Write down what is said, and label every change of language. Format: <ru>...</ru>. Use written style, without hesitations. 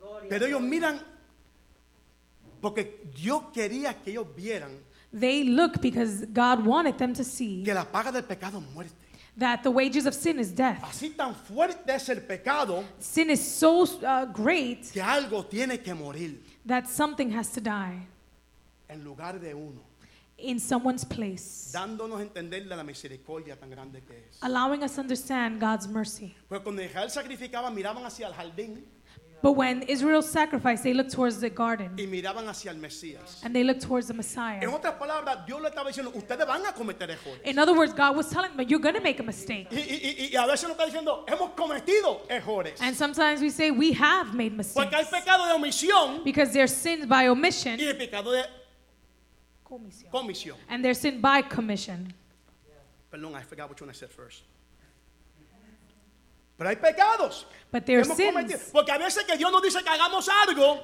<es>Pero ellos miran porque Dios quería que ellos vieran.</es> <en>They look because God wanted them to see.</en> <es>Que la paga del pecado es muerte.</es> <en>That the wages of sin is death.</en> <es>Así tan fuerte es el pecado.</es> <en>Sin is so great.</en> <es>Que algo tiene que morir.</es> <en>That something has to die.</en> <es>En lugar de uno.</es> <en>In someone's place.</en> <es>Dándonos entender la misericordia tan grande que es.</es> <en>Allowing us to understand God's mercy.</en> <es>Pues cuando Israel sacrificaba miraban hacia el jardín.</es> <en>But when Israel sacrificed, they looked towards the garden.</en> <es>Y miraban hacia el Mesías.</es> <en>And they looked towards the Messiah.</en> <es>En otras palabras, Dios le estaba diciendo, ustedes van a cometer errores.</es> <en>In other words, God was telling them, you're going to make a mistake.</en> <es>Y a veces nos está diciendo, hemos cometido errores.</es> <en>And sometimes we say, we have made mistakes.</en> <es>Porque hay pecado de omisión.</es> <en>Because there's sins by omission.</en> <es>Y el pecado de comisión.</es> <en>And there's sin by commission.</en> <es>Perdón,</es> <en>I forgot which one I said first.</en> <es>Pero hay pecados.</es> <en>But there are sins.</en> <es>Porque a veces que Dios nos dice que hagamos algo.</es>